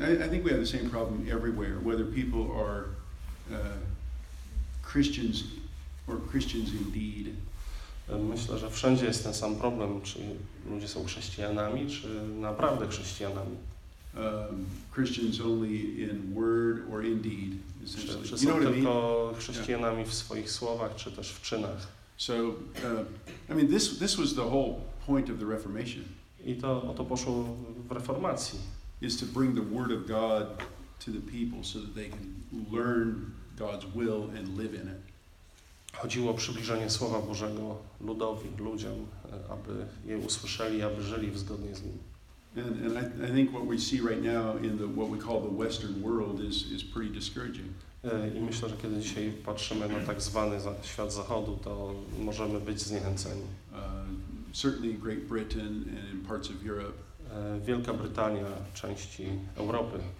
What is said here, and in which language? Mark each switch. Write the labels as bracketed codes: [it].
[en] I think we have the same problem everywhere, whether people are Christians or Christians indeed. [pl] Myślę, że wszędzie jest ten sam problem, czy ludzie są chrześcijanami, czy naprawdę chrześcijanami. [en] Christians only in word or in deed. [pl] Czy są tylko chrześcijanami w swoich słowach, czy też w czynach. [en] So, I mean, this was the whole point of the Reformation. [pl] I to o to poszło w reformacji. [en] Is to bring the word of God to the people so that they can learn God's will and live in it. [pl] Chodziło o przybliżenie Słowa Bożego ludowi, ludziom, aby je usłyszeli, aby żyli zgodnie z nim. [en] And I think what we see right now in the what we call the Western world is pretty discouraging. [pl] I myślę, że kiedy dzisiaj patrzymy na tak zwany świat zachodu, to możemy być zniechęceni. [en] Certainly Great Britain and in parts of Europe. [pl] Wielka Brytania, części Europy.